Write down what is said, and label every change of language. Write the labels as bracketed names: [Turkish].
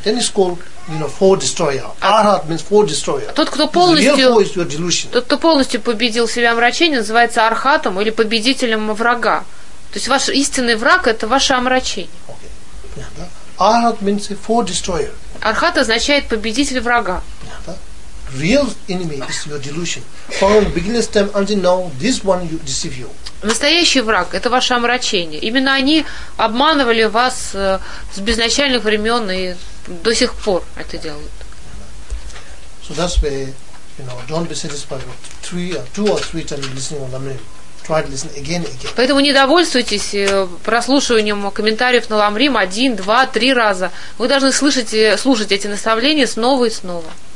[English] Then it's called four destroyer. Arhat means four destroyer. [Russian] Тот, кто полностью, [English] the real four is your delusion. [Russian] Тот, кто полностью победил себя омрачение, называется архатом или победителем врага. То есть ваш истинный враг это ваше омрачение. [English] Okay. Yeah, Arhat means four destroyer. [Russian] Архат означает победитель врага. [English] Yeah, real enemy is your delusion. From beginning time until now, this one you deceive you. [Russian] Настоящий враг это ваше омрачение. Именно они обманывали вас с безначальных времен и до сих пор это делают. [English] So that's why, don't be satisfied with two or three times listening on Ламрим. Try to listen again and again. [Russian] Поэтому не довольствуйтесь прослушиванием комментариев на Ламрим один, два, три раза. Вы должны слушать эти наставления снова и снова.